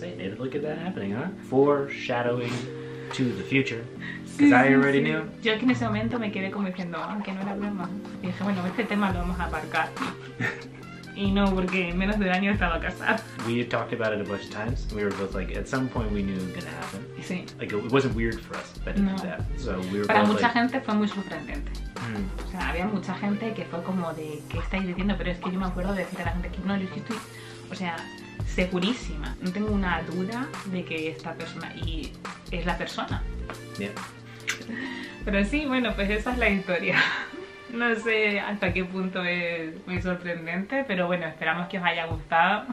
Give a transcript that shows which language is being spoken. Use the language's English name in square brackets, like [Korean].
[English] And look at that happening, huh? Foreshadowing to the future. Because [Spanish] sí, [English] I already sí. knew. [Spanish] Yo aquí en ese momento me quedé como diciendo, que no era broma. Y dije, bueno, este tema lo vamos a aparcar. Y no, porque en menos de un año estaba casada. [English] We had talked about it a bunch of times. We were both like, at some point we knew it was going to happen. [Spanish] Sí. [English] Like, it wasn't weird for us that it did that. So we were [Spanish] Para [English] both [Spanish] mucha [English] like, [Spanish] gente fue muy sorprendente. O sea, había mucha gente que fue como de, ¿qué estáis diciendo? Pero es que yo me acuerdo de decir a la gente que no, yo estoy, o sea, segurísima. No tengo una duda de que esta persona, y es la persona. [English] Yeah. [Spanish] Pero sí, bueno, pues esa es la historia. No sé hasta qué punto es muy sorprendente, pero bueno, esperamos que os haya gustado.